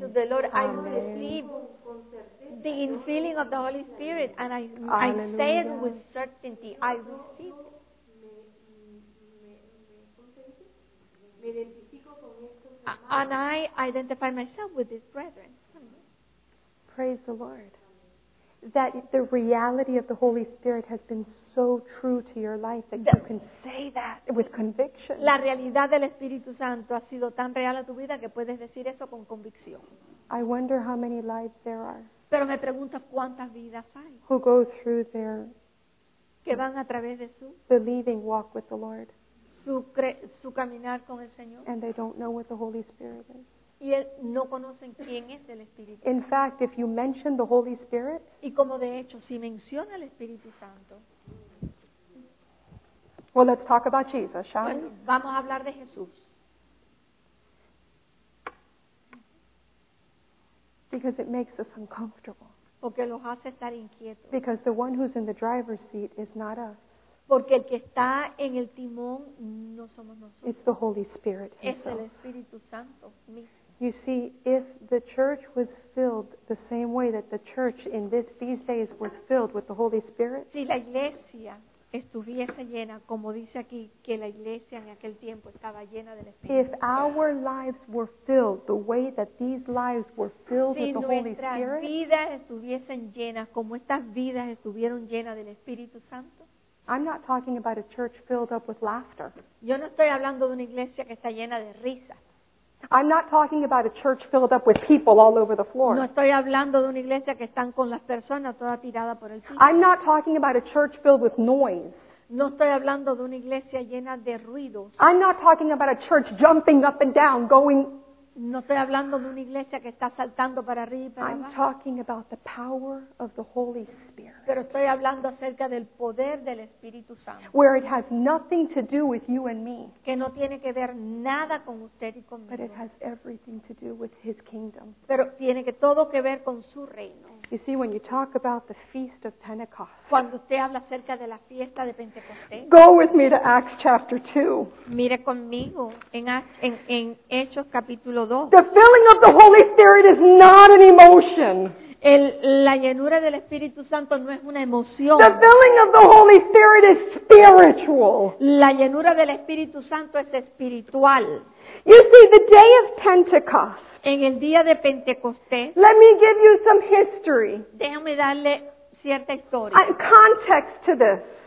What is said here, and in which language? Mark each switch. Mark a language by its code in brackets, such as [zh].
[en] Open to the Lord, I received the infilling of the Holy Spirit, and I say it with certainty, I received it. And I identify myself with these brethren. Praise the Lord. That the reality of the Holy Spirit has been so true to your life that you can say that with conviction. [es] La realidad del Espíritu Santo ha sido tan real a tu vida que puedes decir eso con convicción. [en] I wonder how many lives there are. [es] Pero me preguntas cuántas vidas hay. [en] Who go through their [es] que van a través de su [en] believing walk with the Lord. [es] Su caminar con el Señor. [en] And they don't know what the Holy Spirit is. [es] Y él, no conocen quién es el Espíritu Santo. [en] In fact, if you mention the Holy Spirit, [es] y como de hecho, si menciona el Espíritu Santo, [en] well, let's talk about Jesus, shall [es] bueno, [en] we? [es] Vamos a hablar de Jesús. [en] Because it makes us uncomfortable. [es] Porque los hace estar inquietos. [en] Because the one who's in the driver's seat is not us. [es] Porque el que está en el timón no somos nosotros. [en] It's the Holy Spirit himself. [es] Es el Espíritu Santo mismo. [en] You see, if the church was filled the same way that the church in these days was filled with the Holy Spirit, [es] si la iglesia estuviese llena, como dice aquí, que la iglesia en aquel tiempo estaba llena del Espíritu. [en] If our lives were filled the way that these lives were filled with the Holy Spirit, [es] si nuestras vidas estuviesen llenas como estas vidas estuvieron llenas del Espíritu Santo. [en] I'm not talking about a church filled up with laughter. [es] Yo no estoy hablando de una iglesia que está llena de risas. [en] I'm not talking about a church filled up with people all over the floor. [es] No estoy hablando de una iglesia que están con las personas toda tirada por el piso. [en] I'm not talking about a church filled with noise. [es] No estoy hablando de una iglesia llena de ruidos. [en] I'm not talking about a church jumping up and down, going. [es] No estoy hablando de una iglesia que está saltando para arriba y para abajo. [en] I'm talking about the power of the Holy Spirit. [es] Pero estoy hablando acerca del poder del Espíritu Santo. [en] Where it has nothing to do with you and me. [es] Que no tiene que ver nada con usted y conmigo. [en] But it has everything to do with His kingdom. [es] Pero tiene que todo que ver con su reino. [en] You see, when you talk about the Feast of Pentecost. [es] Cuando usted habla acerca de la fiesta de Pentecostés. [en] Go with me to Acts chapter 2. [es] Mire conmigo en Hechos capítulo 2. [en] The filling of the Holy Spirit is not an emotion. [es] La llenura del Espíritu Santo no es una emoción. [en] The filling of the Holy Spirit is spiritual. [es] La llenura del Espíritu Santo es espiritual. [en] You see, the day of Pentecost. [es] En el día de Pentecostés. [en] Let me give you some history. [es] Déjame darle cierta historia. [en] In context to this.